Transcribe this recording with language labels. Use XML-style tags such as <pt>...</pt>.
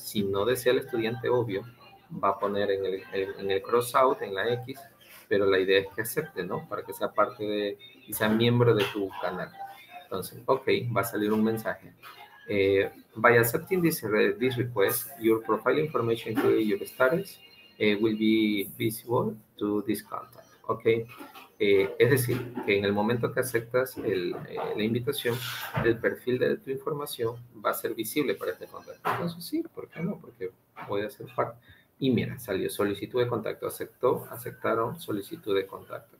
<es>Si no desea el estudiante, obvio, va a poner en el crossout, en la X, pero la idea es que acepte, ¿no? Para que sea parte de, y sea miembro de tu canal. Entonces, ok, va a salir un mensaje.</es> <en>By accepting this request, your profile information, including your status, will be visible to this contact.</en> <es>Ok, es decir, que en el momento que aceptas la invitación, el perfil de tu información va a ser visible para este contacto. Entonces, sí, ¿por qué no? Porque voy a ser parte. Y mira, salió solicitud de contacto, aceptaron solicitud de contacto.</es>